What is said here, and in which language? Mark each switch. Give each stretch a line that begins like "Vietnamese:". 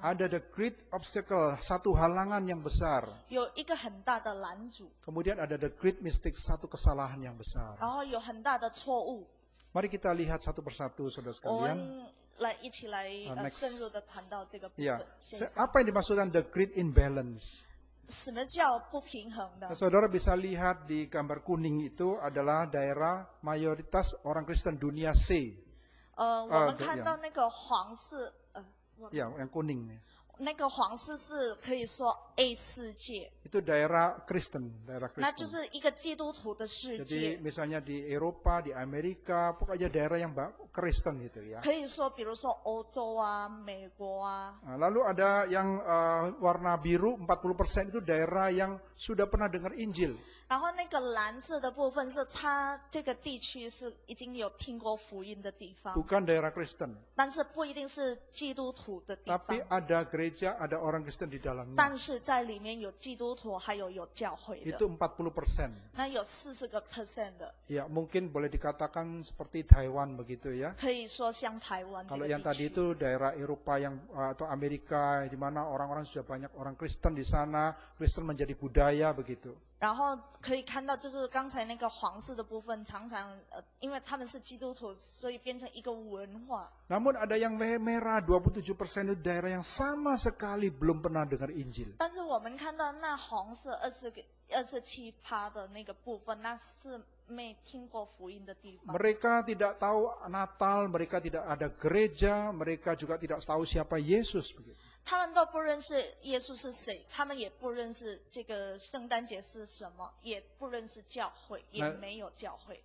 Indonesian: Ada
English: the great obstacle,
Indonesian: satu halangan yang besar.
Chinese: 有一个很大的拦阻。
Indonesian: Kemudian ada
English: the great mistake,
Indonesian: satu kesalahan yang besar.
Chinese: 然后有很大的错误。
Indonesian: Mari kita lihat satu persatu, saudara sekalian.
Chinese: 我们来一起来深入的谈到这个部分。
Indonesian: Yeah. Apa yang dimaksudkan
English: the great imbalance?
Chinese: 什么叫不平衡的？
Indonesian: Saudara bisa lihat di gambar kuning itu adalah daerah mayoritas orang Kristen dunia C.
Chinese: 我们看到那个黄色。
Indonesian: Ya, yang kuning.
Chinese: 那个黄色是可以说 A 世界。
Indonesian: Itu daerah Kristen.
Chinese: 那就是一个基督徒的世界。
Indonesian: Jadi misalnya di Eropa, di Amerika, pokoknya daerah yang Kristen itu ya.
Chinese: 可以说，比如说欧洲啊，美国啊。
Indonesian: Lalu ada yang warna biru 40% itu daerah yang sudah pernah dengar Injil。
Chinese: 然后那个蓝色的部分是它这个地区是已经有听过福音的地方。
Indonesian: Bukan daerah Kristen.
Chinese: 但是不一定是基督徒的地方。
Indonesian: Tapi ada gereja, ada orang Kristen di dalamnya.
Chinese: 但是在里面有基督徒，还有教会的。
Indonesian: Itu 40%.
Chinese: 那有40% 的。
Indonesian: Ya, mungkin boleh dikatakan seperti Taiwan begitu ya.
Chinese: 可以说像台湾。
Indonesian: Kalau yang tadi itu daerah Eropa yang atau Amerika, di mana orang-orang sudah banyak orang Kristen di sana, Kristen menjadi budaya begitu.
Chinese: 然后可以看到，就是刚才那个黄色的部分，常常因为他们是基督徒，所以变成一个文化。
Indonesian: Namun ada yang merah 27% itu daerah yang sama sekali belum pernah dengar Injil。
Chinese: 但是我们看到那红色27%的那个部分，那是没听过福音的地方。
Indonesian: Mereka tidak tahu Natal, mereka tidak ada gereja, mereka juga tidak tahu siapa Yesus。
Chinese: 他们都不认识耶稣是谁，他们也不认识这个圣诞节是什么，也不认识教会，也没有教会。